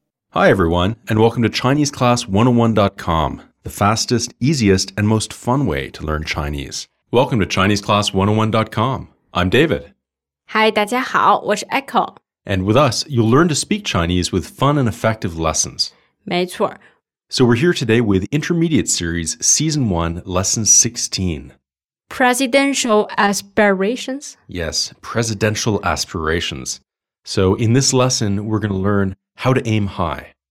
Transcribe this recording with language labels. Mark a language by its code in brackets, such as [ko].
[en] Hi everyone, and welcome to ChineseClass101.com, the fastest, easiest, and most fun way to learn Chinese. Welcome to ChineseClass101.com. I'm David. [zh] Hi, 大家好，我是 Echo. [en] And with us, you'll learn to speak Chinese with fun and effective lessons. [zh] 没错。 [en] So we're here today with Intermediate Series Season 1, Lesson 16. Presidential aspirations? Yes, presidential aspirations. So in this lesson, we're going to learn how to aim high.